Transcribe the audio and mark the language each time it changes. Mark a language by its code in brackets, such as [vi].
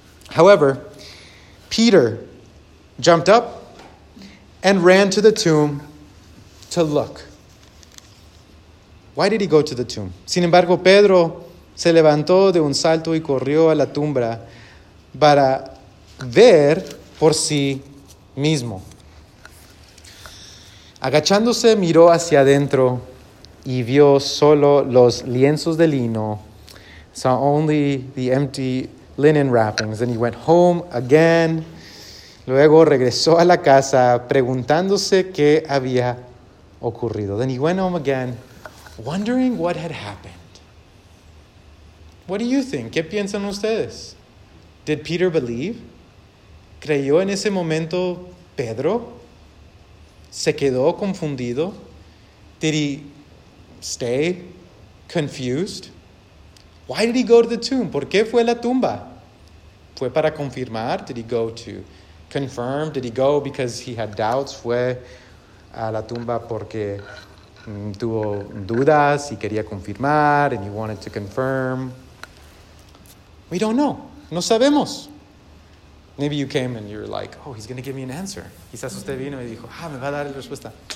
[en] However, Peter jumped up and ran to the tomb to look. Why did he go to the tomb? [es] Sin embargo, Pedro se levantó de un salto y corrió a la tumba para ver por sí mismo. Agachándose, miró hacia adentro y vio solo los lienzos de lino. [en] Saw only the empty linen wrappings. Then he went home again. [es] Luego regresó a la casa preguntándose qué había ocurrido. [en] Then he went home again, wondering what had happened. What do you think? [es] ¿Qué piensan ustedes? [en] Did Peter believe? [es] ¿Creyó en ese momento Pedro? ¿Se quedó confundido? [en] Did he stay confused? Why did he go to the tomb? [es] ¿Por qué fue a la tumba? ¿Fue para confirmar? [en] Did he go to confirm? Did he go because he had doubts? [es] ¿Fue a la tumba porque tuvo dudas y quería confirmar? [en] And he wanted to confirm. We don't know. [es] No sabemos. [en] Maybe you came and you're like, oh, he's going to give me an answer. [es] Quizás usted vino y dijo, ah, me va a dar la respuesta.